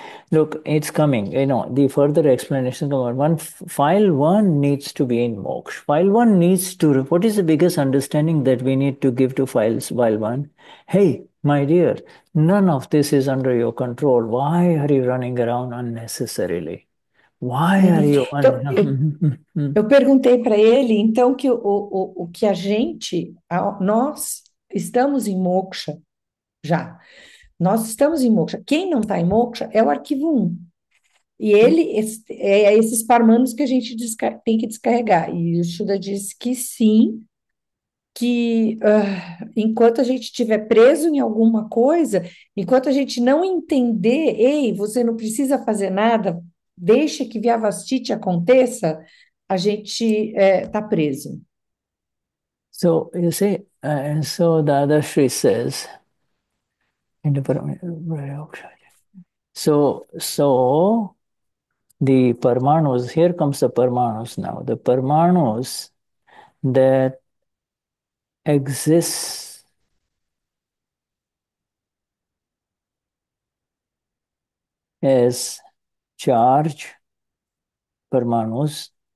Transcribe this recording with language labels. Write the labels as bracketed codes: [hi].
[en] Look, it's coming. You know, the further explanation come on. File one needs to be in moksha. File one needs to. What is the biggest understanding that we need to give to file one? Hey, my dear, none of this is under your control. Why are you running around unnecessarily? Why are you [pt] Então, [en] unhappy? [pt] eu perguntei para ele, então, que o que a gente, nós estamos em moksha já. Nós estamos em moksha. Quem não está em moksha é o arquivo 1. E ele é esses parmanos que a gente tem que descarregar. E o Shuddha disse que sim, que enquanto a gente estiver preso em alguma coisa, enquanto a gente não entender, ei, você não precisa fazer nada, deixa que Vyavastiti aconteça, a gente está preso. [en] So you see, and so Dadashri says in the so the parmanus, here comes the parmanus now. The parmanus that exists as charge parmanus.